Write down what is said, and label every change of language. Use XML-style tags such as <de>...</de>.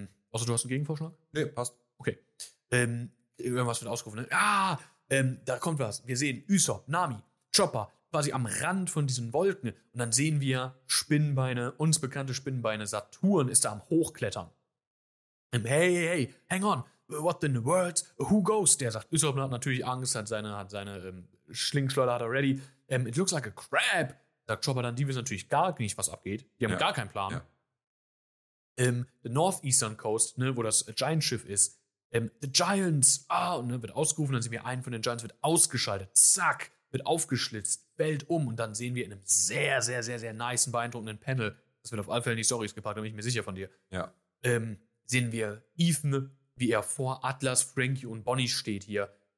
<de>Außer du hast einen Gegenvorschlag? Nee, passt. Okay. Irgendwas wird ausgerufen. Ne? Ah, da kommt was. Wir sehen Usopp, Nami, Chopper, quasi am Rand von diesen Wolken und dann sehen wir Spinnenbeine, uns bekannte Spinnenbeine, Saturn ist da am Hochklettern.</de> <en>Hey, hey, hey, hang on, what in the world, who goes?</en> <de>Der sagt, Usopp hat natürlich Angst, hat seine Schlingschleuder hat er ready.</de> <en>It looks like a crab,</en> <de>sagt Chopper dann, die wissen natürlich gar nicht, was abgeht. Die haben gar keinen Plan. Ja. The Northeastern Coast, ne, wo das Giant-Schiff ist, the Giants, wird ausgerufen, dann sehen wir einen von den Giants, wird ausgeschaltet, zack, wird aufgeschlitzt, bellt um und dann sehen wir in einem sehr, sehr, sehr, sehr nicen, beeindruckenden Panel, das wird auf alle Fälle nicht Storys gepackt, da bin ich mir sicher von dir, sehen wir Ethan, wie er vor Atlas, Frankie und Bonnie steht hier.</de>